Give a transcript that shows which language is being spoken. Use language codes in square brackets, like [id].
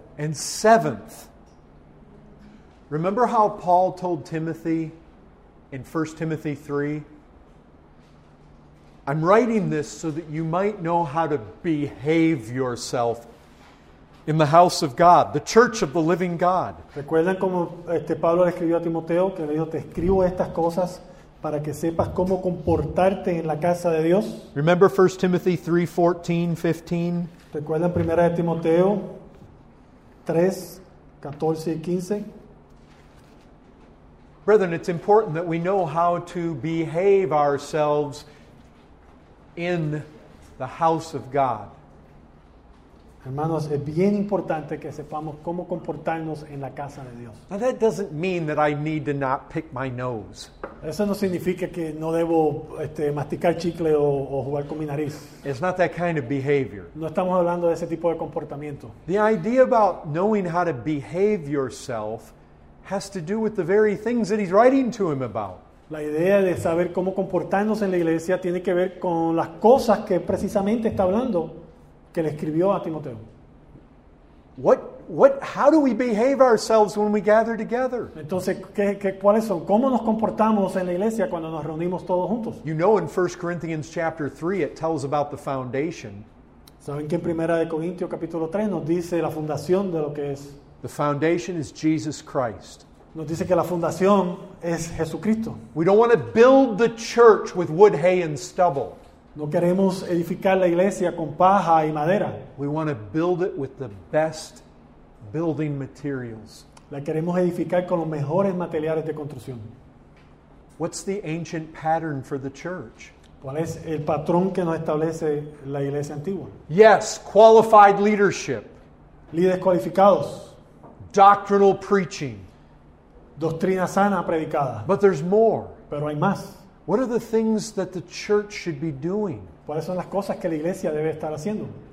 [en] And seventh, remember how Paul told Timothy in 1 Timothy 3? I'm writing this so that you might know how to behave yourself in the house of God, the church of the living God. [es] ¿Recuerdan cómo Pablo le escribió a Timoteo? Que le dijo, te escribo estas cosas para que sepas cómo comportarte en la casa de Dios. [en] Remember 1 Timothy 3, 14, 15? [es] ¿Recuerdan 1 Timoteo 3, 14 y 15? [en] Brethren, it's important that we know how to behave ourselves in the house of God. [es] Hermanos, es bien importante que sepamos cómo comportarnos en la casa de Dios. [en] Now that doesn't mean that I need to not pick my nose. [es] Eso no significa que no debo masticar chicle o jugar con mi nariz. [en] It's not that kind of behavior. [es] No estamos hablando de ese tipo de comportamiento. [en] The idea about knowing how to behave yourself has to do with the very things that he's writing to him about. [es] La idea de saber cómo comportarnos en la iglesia tiene que ver con las cosas que precisamente está hablando, que le escribió a Timoteo. [en] How do we behave ourselves when we gather together? [es] Entonces, ¿qué cuáles son? ¿Cómo nos comportamos en la iglesia cuando nos reunimos todos juntos? [en] You know, in 1 Corinthians chapter 3, it tells about the foundation. [es] ¿Saben que en 1 Corintios capítulo 3 nos dice la fundación de lo que es? [en] The foundation is Jesus Christ. [es] Nos dice que la fundación es Jesucristo. [en] We don't want to build the church with wood, hay and stubble. [es] No queremos edificar la iglesia con paja y madera. [en] We want to build it with the best building materials. [es] La queremos edificar con los mejores materiales de construcción. [en] What's the ancient pattern for the church? [es] ¿Cuál es el patrón que nos establece la iglesia antigua? [en] Yes, qualified leadership. [es] Líderes cualificados. [en] Doctrinal preaching. [es] Doctrina sana predicada. [en] But there's more. [es] Pero hay más. [en] What are the things that the church should be doing? [es] ¿Cuáles son las cosas que la iglesia debe estar haciendo?